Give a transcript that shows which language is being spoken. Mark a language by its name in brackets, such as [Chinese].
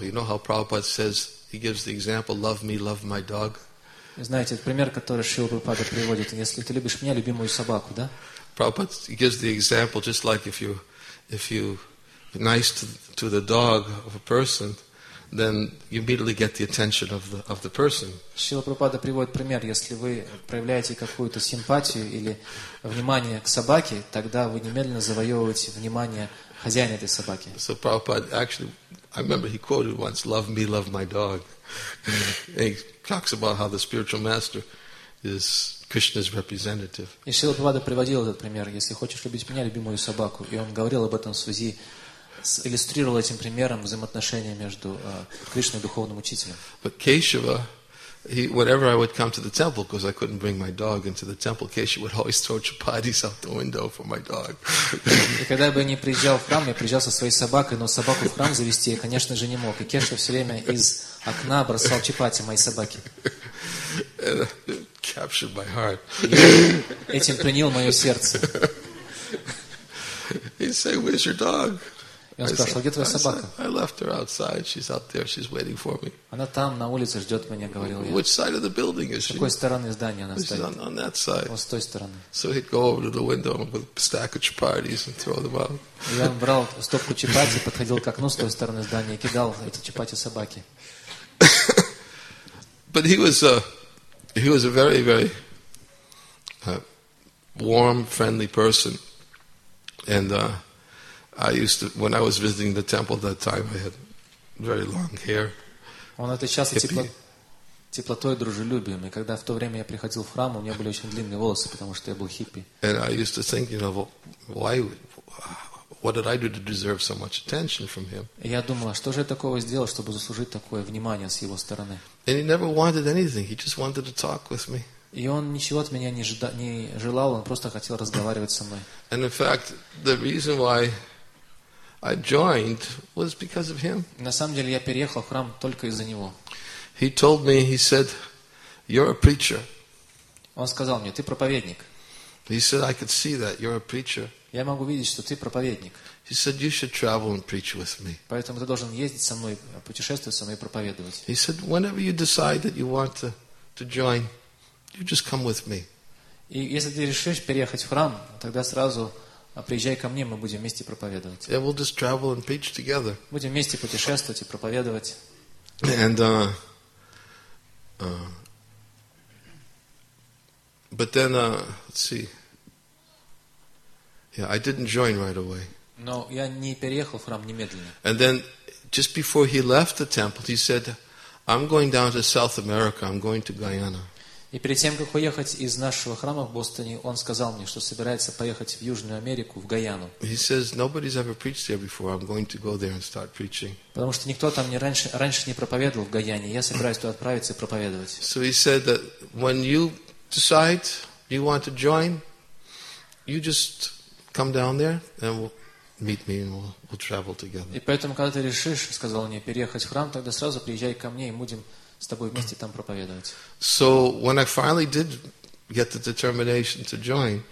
[English] You know how Prabhupada says, he gives the example, love me, love my dog. [Russian] Знаете, это пример, который Шрила Прабхупада приводит. Если ты любишь меня, люби мою собаку, да? [English] Prabhupada gives the example, just like if you're nice to the dog of a person, then you immediately get the attention of the person. [Russian] Шрила Прабхупада приводит пример, если вы проявляете какую-то симпатию или внимание к собаке, тогда вы немедленно завоевываете внимание хозяина этой собаки. [English] So Prabhupada actually, I remember he quoted once, "Love me, love my dog." And he talks about how the spiritual master is Krishna's representative. [Russian] И Шрила Прабхупада приводил этот пример, если хочешь любить меня, люби мою собаку, и он говорил об этом в связи. Иллюстрировал этим примером взаимоотношения между Кришной и духовным учителем. [English] But Keshava, whenever I would come to the temple, because I couldn't bring my dog into the temple, Keshava would always throw chapatis out the window for my dog. [Russian] И когда бы я не приезжал в храм, я приезжал со своей собакой, но собаку в храм завести я, конечно же, не мог. И Кешава все время из окна бросал чапати моей собаке. [English] And captured my heart. [Russian] Этим принял мое сердце. [English] He'd say, "Where's your dog?" [Russian] И он спрашивал, где твоя собака? [English] I left her outside. She's out there. She's waiting for me. [Russian] Она там, на улице, ждет меня, говорил я. [English] Which side of the building is she? [Russian] С какой стороны здания она стоит? [English] She's on that side. [Russian] Вот с той стороны. [English] So he'd go over to the window with a stack of chapatis and throw them out. [Russian] И он брал стопку чапати, подходил к окну с той стороны здания и кидал эти чапати собаке. [English] But he was a very, very warm, friendly person. And I used to, when I was visiting the temple that time, I had very long hair. [Russian] Он отличался теплотой и дружелюбием. И когда в то время я приходил в храм, у меня были очень длинные волосы, потому что я был хиппи. [English] And I used to think, you know, why, what did I do to deserve so much attention from him? [Russian] Я думал, что же я такого сделал, чтобы заслужить такое внимание с его стороны? [English] And he never wanted anything. He just wanted to talk with me. [Russian] И он ничего от меня не желал, он просто хотел разговаривать со мной. [English] And in fact, the reason why I joined was because of him. [Russian] На самом деле, я переехал в храм только из-за него. [English] He told me, he said, "You're a preacher." [Russian] Он сказал мне, ты проповедник. [English] He said, "I could see that you're a preacher." [Russian] Я могу видеть, что ты проповедник. [English] He said, "You should travel and preach with me." [Russian] Поэтому ты должен ездить со мной, путешествовать со мной и проповедовать. [English] He said, "Whenever you decide that you want to join, you just come with me." [Russian] И если ты решишь переехать в храм, тогда сразу А приезжай ко мне, мы будем вместе проповедовать. [English] Yeah, we'll just travel and preach together. [Russian] Будем вместе путешествовать и проповедовать. [English] And but then let's see. Yeah, I didn't join right away. [Russian] Но я не переехал в храм немедленно. [English] And then just before he left the temple, he said, I'm going down to South America. I'm going to Guyana. [Russian] И перед тем, как уехать из нашего храма в Бостоне, он сказал мне, что собирается поехать в Южную Америку, в Гайану. [English] He says, nobody's ever preached there before. I'm going to go there and start preaching. [Russian] Потому что никто там раньше не проповедовал в Гайане. Я собираюсь туда отправиться и проповедовать. [English] So he said that when you decide you want to join, you just come down there and we'll meet me and we'll travel together. [Russian] И поэтому, когда ты решишь, сказал мне, переехать в храм, тогда сразу приезжай ко мне, и мы будем с тобой вместе там проповедовать. [English] So when I finally did get the determination to join,